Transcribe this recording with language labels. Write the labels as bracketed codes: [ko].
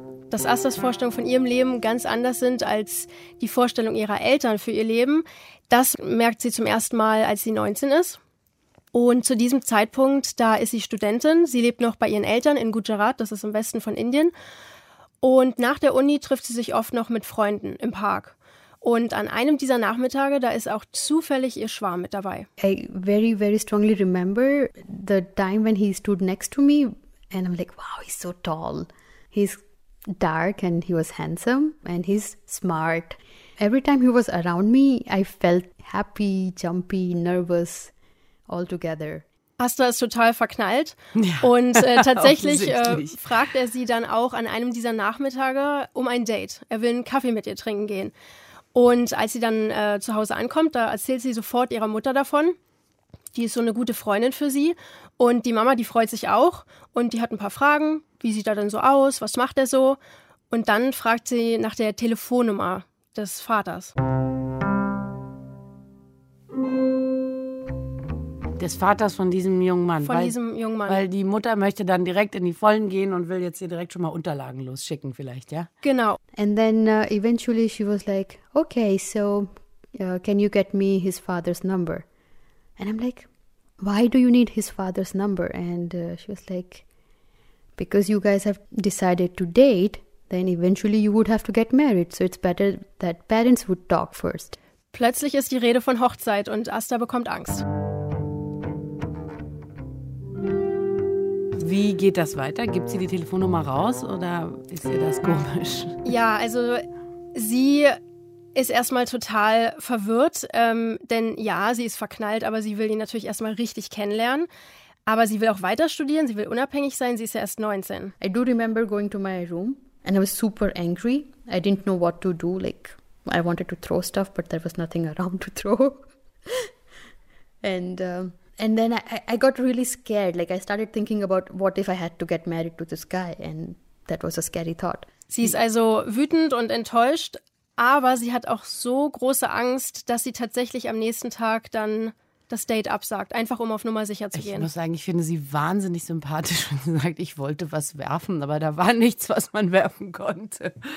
[de] Dass Astas Vorstellungen von ihrem Leben ganz anders sind als die Vorstellung ihrer Eltern für ihr Leben, das merkt sie zum ersten Mal, als sie 19 ist. Und zu diesem Zeitpunkt, da ist sie Studentin. Sie lebt noch bei ihren Eltern in Gujarat, das ist im Westen von Indien. Und nach der Uni trifft sie sich oft noch mit Freunden im Park. Und an einem dieser Nachmittage, da ist auch zufällig ihr Schwarm mit dabei. [en] I very, very strongly remember the time when he stood next to me and I'm like, wow, he's so tall. He's dark and he was handsome and he's smart. Every time he was around me, I felt happy, jumpy, nervous all together. [de] Asta ist total verknallt, ja, und tatsächlich fragt er sie dann auch an einem dieser Nachmittage um ein Date. Er will einen Kaffee mit ihr trinken gehen. Und als sie dann zu Hause ankommt, da erzählt sie sofort ihrer Mutter davon. Die ist so eine gute Freundin für sie. Und die Mama, die freut sich auch. Und die hat ein paar Fragen. Wie sieht er denn so aus? Was macht er so? Und dann fragt sie nach der Telefonnummer des Vaters. Des Vaters von diesem jungen Mann. Weil die Mutter möchte dann direkt in die Vollen gehen und will jetzt hier direkt schon mal Unterlagen losschicken vielleicht, ja? Genau. [en] And then eventually she was like, okay, so can you get me his father's number? And I'm like, why do you need his father's number? And she was like, because you guys have decided to date, then eventually you would have to get married. So it's better that parents would talk first. [de] Plötzlich ist die Rede von Hochzeit und Asta bekommt Angst. Wie geht das weiter? Gibt sie die Telefonnummer raus oder ist ihr das komisch? Ja, also sie ist erstmal total verwirrt, denn ja, sie ist verknallt, aber sie will ihn natürlich erstmal richtig kennenlernen. Aber sie will auch weiter studieren, sie will unabhängig sein, sie ist ja erst 19. [en] I do remember going to my room and I was super angry. I didn't know what to do, like I wanted to throw stuff, but there was nothing around to throw. And then I got really scared. Like I started thinking about what if I had to get married to this guy. And that was a scary thought. [de] Sie ist also wütend und enttäuscht, aber sie hat auch so große Angst, dass sie tatsächlich am nächsten Tag dann das Date absagt, einfach um auf Nummer sicher zu gehen. Ich muss sagen, ich finde sie wahnsinnig sympathisch, wenn sie sagt, ich wollte was werfen, aber da war nichts, was man werfen konnte.